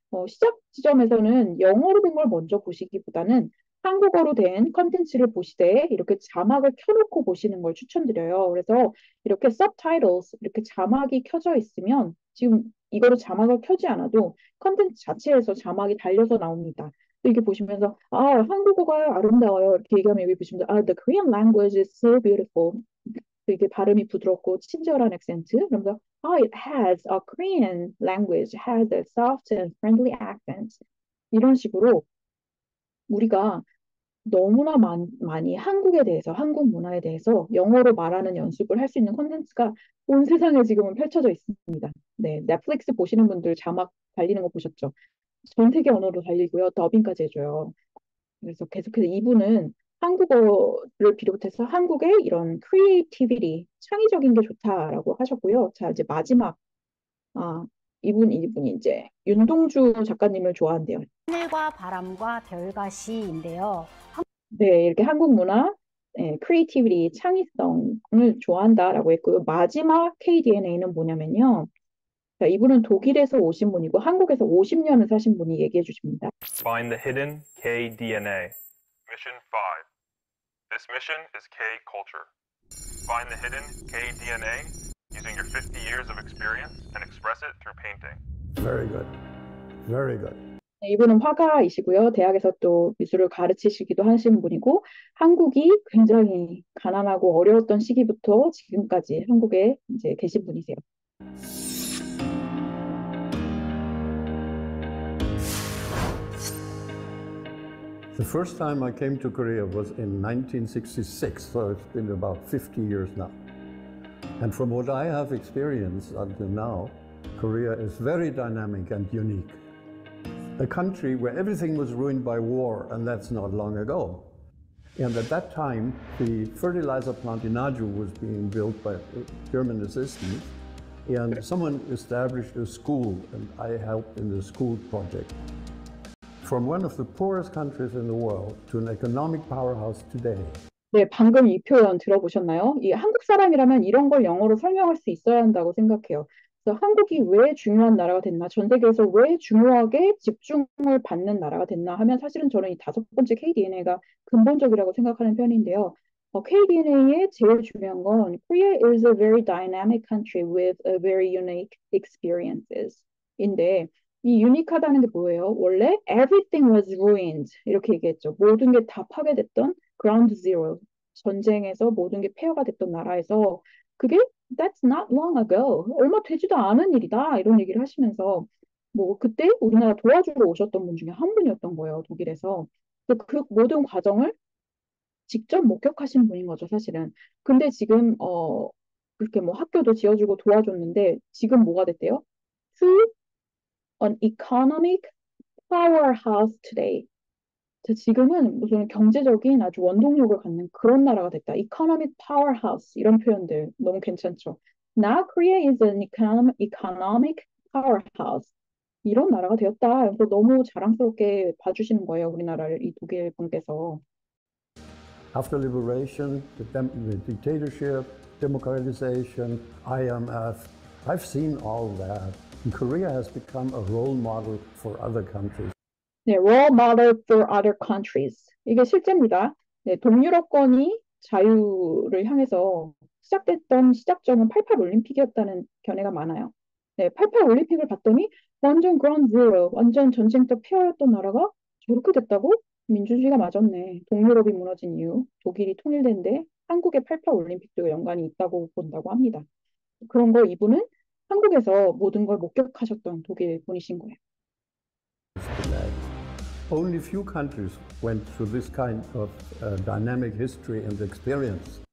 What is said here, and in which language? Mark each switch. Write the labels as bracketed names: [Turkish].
[Korean] 시작 지점에서는 영어로 된 걸 먼저 보시기보다는 한국어로 된 컨텐츠를 보시되 이렇게 자막을 켜놓고 보시는 걸 추천드려요. 그래서 이렇게 subtitles, 이렇게 자막이 켜져 있으면 지금 이거로 자막을 켜지 않아도 컨텐츠 자체에서 자막이 달려서 나옵니다. 이렇게 보시면서 아 한국어가 아름다워요. 이렇게 얘기하면 여기 보시면 아 [English] the Korean language is so beautiful. [Korean] 이게 발음이 부드럽고 친절한 액센트. 그러면서 [English] Oh, it has a Korean language, has a soft and friendly accent. [Korean] 이런 식으로 우리가 너무나 많이 한국에 대해서, 한국 문화에 대해서 영어로 말하는 연습을 할 수 있는 콘텐츠가 온 세상에 지금은 펼쳐져 있습니다. 네, 넷플릭스 보시는 분들 자막 달리는 거 보셨죠? 전 세계 언어로 달리고요. 더빙까지 해줘요. 그래서 계속해서 이분은 한국어를 비롯해서 한국의 이런 creativity, 창의적인 게 좋다라고 하셨고요. 자, 이제 마지막 아, 이분이 이제 윤동주 작가님을 좋아한대요. 하늘과 바람과 별과 시인데요. 네, 이렇게 한국 문화, 네, 크리에이티비티, 창의성을 좋아한다라고 했고요. 마지막 KDNA는 뭐냐면요. 자, 이분은 독일에서 오신 분이고 한국에서 50년을 사신 분이 얘기해 주십니다. [English] Find the hidden KDNA. Mission 5. This mission is K-culture. Find the hidden KDNA using your 50 years of experience and express it through painting. Very good. Very good. [Korean] 이분은 화가이시고요. 대학에서 또 미술을 가르치시기도 하신 분이고, 한국이 굉장히 가난하고 어려웠던 시기부터 지금까지 한국에 이제 계신 분이세요. [English] The first time I came to Korea was in 1966, so it's been about 50 years now. And from what I have experienced until now, Korea is very dynamic and unique. A country where everything was ruined by war, and that's not long ago. And at that time, the fertilizer plant in Aju was being built by German assistants, and someone established a school, and I helped in the school project. From one of the poorest countries in the world to an economic powerhouse today. [Korean] 네, 방금 이 표현 들어보셨나요? 이 한국 사람이라면 이런 걸 영어로 설명할 수 있어야 한다고 생각해요. 그래서 한국이 왜 중요한 나라가 됐나, 전 세계에서 왜 중요하게 집중을 받는 나라가 됐나 하면 사실은 저는 이 다섯 번째 KDNA가 근본적이라고 생각하는 편인데요. KDNA의 제일 중요한 건 [English] Korea is a very dynamic country with a very unique experiences [Korean] 인데 이 유니크하다는 게 뭐예요? 원래 [English] everything was ruined [Korean] 이렇게 얘기했죠. 모든 게다 파괴됐던 Ground Zero, 전쟁에서 모든 게 폐허가 됐던 나라에서 그게 [English] That's not long ago, [Korean] 얼마 되지도 않은 일이다 이런 얘기를 하시면서 뭐 그때 우리나라 도와주러 오셨던 분 중에 한 분이었던 거예요, 독일에서. 그 모든 과정을 직접 목격하신 분인 거죠, 사실은. 근데 지금 그렇게 뭐 학교도 지어주고 도와줬는데 지금 뭐가 됐대요? [English] To an economic powerhouse today. [Korean] 지금은 무슨 경제적인 아주 원동력을 갖는 그런 나라가 됐다. Economic powerhouse 이런 표현들 너무 괜찮죠? [English] Now Korea is an economic powerhouse. [Korean] 이런 나라가 되었다. 그래서 너무 자랑스럽게 봐주시는 거예요, 우리나라를 이 독일 분께서. [English] After liberation, the dictatorship, democratization, IMF, I've seen all that. And Korea has become a role model for other countries. [Korean] 네, [English] role model for other countries. [Korean] 이게 실제입니다. 네, 동유럽권이 자유를 향해서 시작됐던 시작점은 88 올림픽이었다는 견해가 많아요. 네, 88 올림픽을 봤더니 완전 ground zero, 완전 전쟁 때 폐허였던 나라가 저렇게 됐다고? 민주주의가 맞았네. 동유럽이 무너진 이유, 독일이 통일된 데 한국의 88 올림픽도 연관이 있다고 본다고 합니다. 그런 거 이분은 한국에서 모든 걸 목격하셨던 독일 분이신 거예요. [English] Only few countries went through this kind of dynamic history and experience.